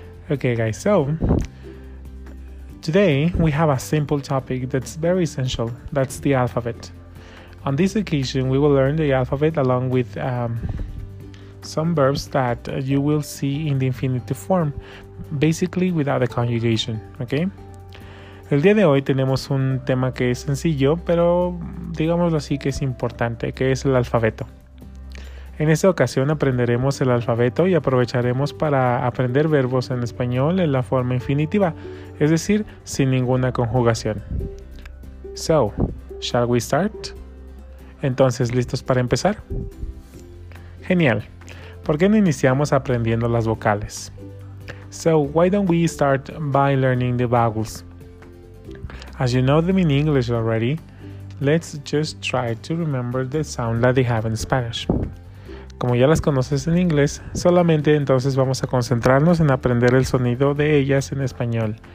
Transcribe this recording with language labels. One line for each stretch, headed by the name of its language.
English: Okay guys, so today we have a simple topic that's very essential, that's the alphabet. On this occasion we will learn the alphabet along with some verbs that you will see in the infinitive form, basically without a conjugation, okay?
Spanish: El día de hoy tenemos un tema que es sencillo, pero digámoslo así que es importante, que es el alfabeto. En esta ocasión aprenderemos el alfabeto y aprovecharemos para aprender verbos en español en la forma infinitiva, es decir, sin ninguna conjugación.
English: So, shall we start?
Spanish: Entonces, ¿listos para empezar? Genial. ¿Por qué no iniciamos aprendiendo las vocales?
English: So, why don't we start by learning the vowels? As you know them in English already, let's just try to remember the sound that they have in Spanish.
Spanish: Como ya las conoces en inglés, solamente entonces vamos a concentrarnos en aprender el sonido de ellas en español.